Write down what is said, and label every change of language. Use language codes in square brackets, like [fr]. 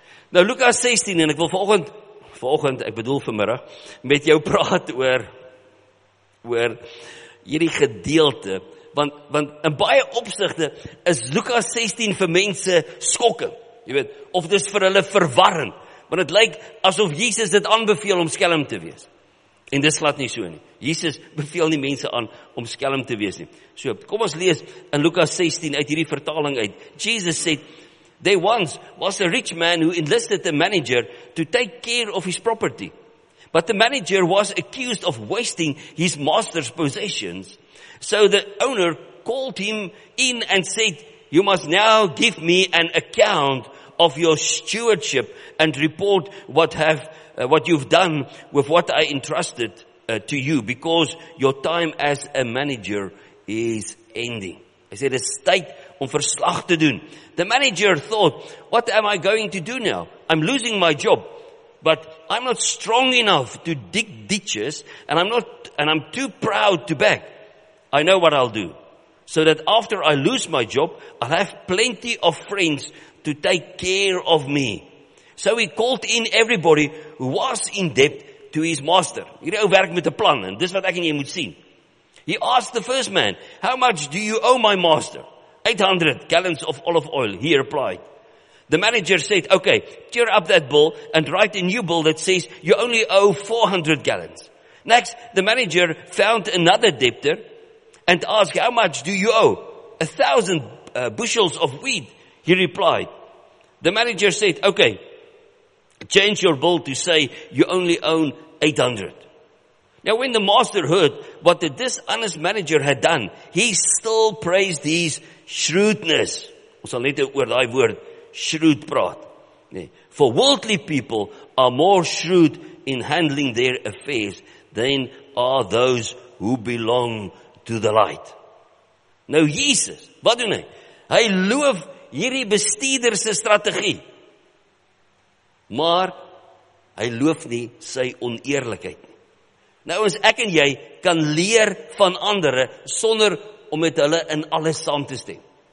[af] Nou, Lukas 16, en ek wil vanoggend, ek bedoel vanmiddag, met jou praat oor hierdie gedeelte, want in baie opsigte is Lukas 16 vir mense skokkend. Jy weet, of dit is vir hulle verwarrend, want het lyk asof Jesus dit aanbeveel om skelm te wees. En dit slaat nie so nie. Jesus beveel nie mense aan om skelm te wees nie. So, kom ons lees in Lukas 16 uit hierdie vertaling uit. Jesus sê, [en] there once was a rich man who enlisted a manager to take care of his property. But the manager was accused of wasting his master's possessions. So the owner called him in and said, you must now give me an account of your stewardship and report what you've done with what I entrusted to you because your time as a manager is ending. [af] Hy sê, dis tyd om verslag te doen. [en] The manager thought, what am I going to do now? I'm losing my job, but I'm not strong enough to dig ditches and I'm too proud to beg. I know what I'll do. So that after I lose my job, I'll have plenty of friends to take care of me. So he called in everybody who was in debt to his master. [af] Hierdie ou werk met 'n plan, en dis wat ek en jy moet sien. [en] He asked the first man, how much do you owe my master? 800 gallons of olive oil, he replied. The manager said, okay, tear up that bill and write a new bill that says you only owe 400 gallons. Next, the manager found another debtor and asked, how much do you owe? 1,000 bushels of wheat, he replied. The manager said, okay, change your bill to say you only own 800. Now, when the master heard what the dishonest manager had done, he still praised his shrewdness. [af] Ons sal net oor daai woord shrewd praat. Nee. [en] For worldly people are more shrewd in handling their affairs than are those who belong to the light. [af] Nou, Jesus, wat doen hy? Hy loof hierdie bestuurder se strategie. Maar hy loof nie sy oneerlikheid. Nou ons ek en jy kan leer van andere sonder om met hulle in alles saam te stem.